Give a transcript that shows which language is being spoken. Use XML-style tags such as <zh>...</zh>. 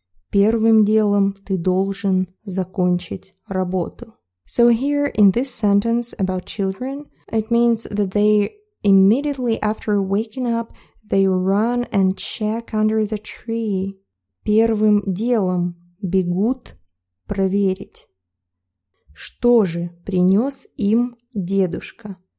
<ru>Первым делом ты должен закончить работу.</ru> <en>So here, in this sentence about children, it means that they immediately after waking up, they run and check under the tree.</en> <ru>Первым делом бегут проверить. Что же принес им дедушка?</ru>